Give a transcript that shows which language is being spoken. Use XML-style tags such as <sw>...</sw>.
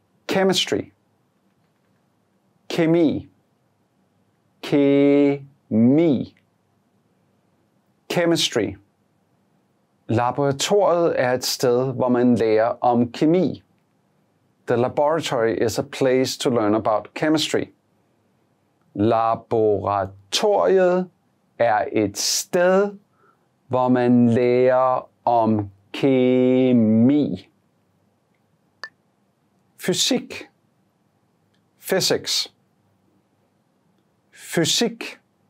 <en>Chemistry.</en> <da>Kemi. Kemi.</da> <en>Chemistry.</en> <da>Laboratoriet er et sted, hvor man lærer om kemi.</da> <en>The laboratory is a place to learn about chemistry.</en> <da>Laboratoriet er et sted, hvor man lærer om kemi. Fysik.</da> <en>Physics.</en> <da>Fysik.</da>